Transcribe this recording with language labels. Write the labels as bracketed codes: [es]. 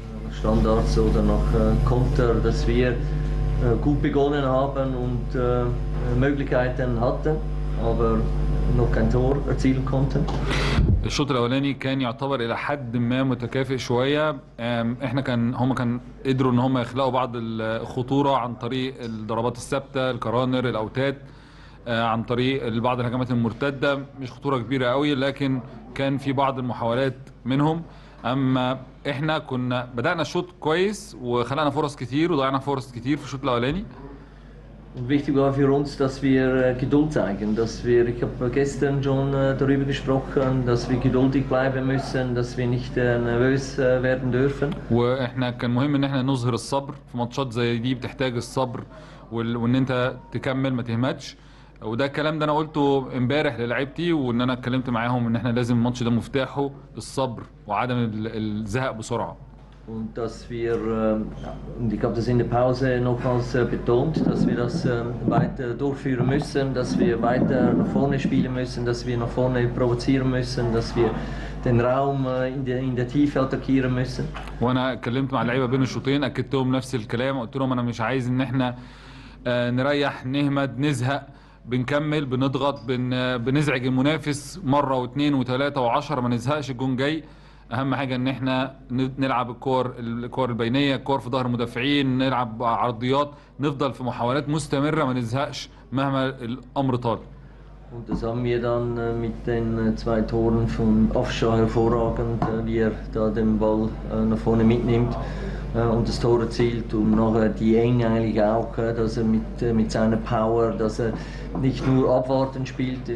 [de] Standards oder nach Konter, dass wir gut begonnen haben und Möglichkeiten hatten, aber noch kein Tor erzielen konnten. [ar] الشوط الاولاني كان يعتبر الى حد ما متكافئ شويه. احنا كان هم كان قدروا ان هم يخلقوا بعض الخطوره عن طريق الضربات الثابته، الكرانر، الاوتات، عن طريق بعض الهجمات المرتده. مش خطوره كبيره قوي، لكن كان في بعض المحاولات منهم. اما احنا كنا بدانا الشوط كويس وخلقنا فرص كتير وضيعنا فرص كتير في الشوط الاولاني. [de] Und wichtig war für uns, dass wir Geduld zeigen, dass wir, ich habe gestern schon darüber gesprochen, dass wir geduldig bleiben müssen, dass wir nicht nervös werden dürfen. [ar] واحنا كان مهم ان احنا نظهر الصبر في ماتشات زي دي، بتحتاج الصبر وان انت تكمل ما تهمتش. وده الكلام ده انا قلته امبارح للعيبتي، وان انا اتكلمت معاهم ان احنا لازم الماتش ده مفتاحه الصبر وعدم الزهق بسرعه. [de] Und dass wir, und ich habe das in der Pause nochmals betont, dass wir das weiter durchführen müssen, dass wir weiter nach vorne spielen müssen, dass wir nach vorne provozieren müssen, dass wir den Raum in der Tiefe attackieren müssen. [ar] وانا اتكلمت مع اللعيبه بين الشوطين، اكدتهم نفس الكلام، قلت لهم انا مش عايز ان احنا نريح، نهمد، نزهق، بنكمل، بنضغط، بنزعج المنافس مره واثنين وثلاثه وعشره، ما نزهقش، الجون جاي. اهم حاجه ان احنا نلعب الكور البينيه، الكور في ظهر المدافعين، نلعب عرضيات، نفضل في محاولات مستمره، ما نزهقش مهما الامر طال. [de] Und das haben wir dann mit den zwei Toren von Afsha hervorragend, wie er da den Ball nach vorne mitnimmt und das Tor erzielt. Und nachher die Eng eigentlich auch, dass er mit seiner Power, dass er nicht nur abwartend spielt.